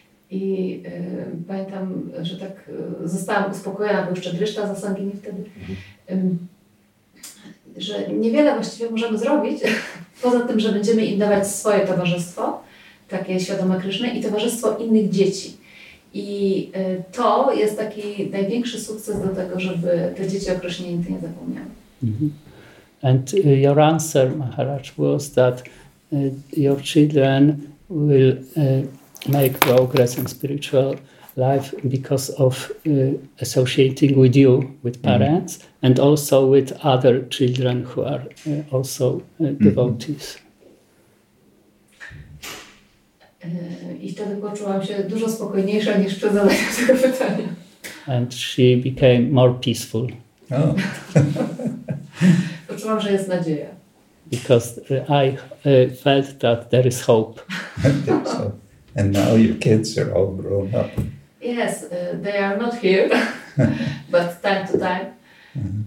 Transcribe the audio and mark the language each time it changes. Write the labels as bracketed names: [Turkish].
[Polish] I pamiętam, że tak zostałam uspokojona, bo jeszcze Dryszta zasągi nie wtedy, że niewiele właściwie możemy zrobić, poza tym, że będziemy im dawać swoje towarzystwo, takie świadome Kryszny, i towarzystwo innych dzieci. I to jest taki największy sukces do tego, żeby te dzieci o Krysznie nigdy nie zapomniały. Mm-hmm. [English] And your answer, Maharaj, was that your children will make progress in spiritual life because of associating with you, with parents, mm-hmm. and also with other children who are also devotees. [Polish] I wtedy poczułam się dużo spokojniejsza niż przed zadaniem tego pytania. [English] And she became more peaceful. Oh. [Polish] Poczułam, że jest nadzieja. [English] Because I felt that there is hope. And now your kids are all grown up. Yes, they are not here, but time to time. Mm-hmm.